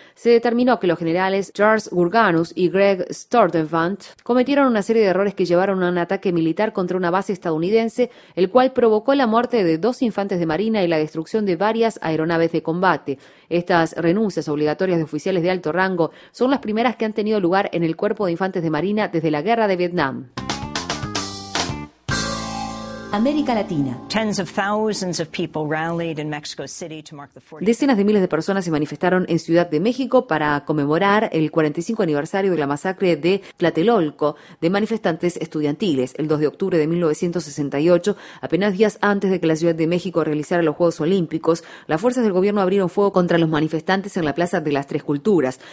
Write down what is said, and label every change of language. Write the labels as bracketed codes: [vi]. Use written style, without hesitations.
[es] Se determinó que los generales Charles Gurganus y Greg Stordevant cometieron una serie de errores que llevaron a un ataque militar contra una base estadounidense, el cual provocó la muerte de dos infantes de marina y la destrucción de varias aeronaves de combate. Estas renuncias obligatorias de oficiales de alto rango son las primeras que han tenido lugar en el Cuerpo de Infantes de Marina desde la Guerra de Vietnam. América Latina. [en] Tens of thousands of people rallied in Mexico City to mark the 40th. [es] Decenas de miles de personas se manifestaron en Ciudad de México para conmemorar el 45 aniversario de la masacre de Tlatelolco de manifestantes estudiantiles el 2 de octubre de 1968, apenas días antes de que la Ciudad de México realizara los Juegos Olímpicos. Las fuerzas del gobierno abrieron fuego contra los manifestantes en la Plaza de las Tres Culturas.